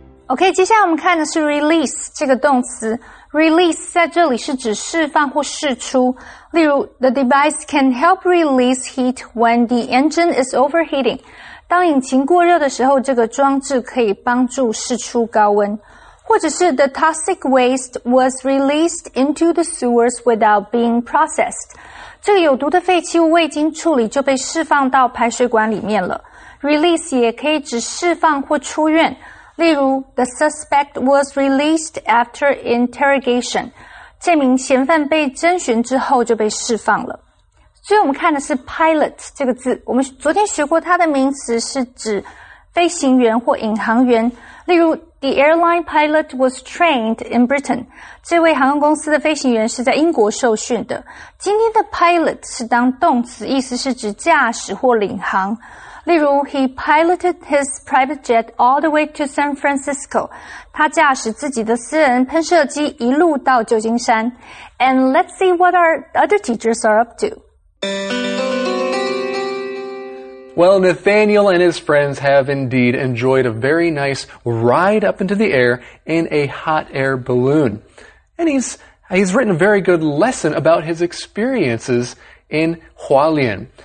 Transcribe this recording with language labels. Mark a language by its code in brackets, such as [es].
[zh] Okay, 接下来我们看的是 release 这个动词。Release 在这里是指释放或释出。例如 [en] ,the device can help release heat when the engine is overheating. [zh] 当引擎过热的时候这个装置可以帮助释出高温。或者是 [en] ,the toxic waste was released into the sewers without being processed. [zh] 这个有毒的废弃物未经处理就被释放到排水管里面了。 Release 也可以指释放或出院。例如 , [en] the suspect was released after interrogation. [zh] 这名嫌犯被侦询之后就被释放了。所以我们看的是 pilot 这个字。我们昨天学过它的名词是指飞行员或引航员。 [en] 例如 ,the airline pilot was trained in Britain. [zh] 这位航空公司的飞行员是在英国受训的。今天的 pilot 是当动词意思是指驾驶或领航。 [en] 例如 ,he piloted his private jet all the way to San Francisco. [zh] 他驾驶自己的私人喷射机一路到旧金山。 [en] And let's see what our other teachers are up to. Well, Nathaniel and his friends have indeed enjoyed a very nice ride up into the air in a hot air balloon. And he's written a very good lesson about his experiences in Hualien.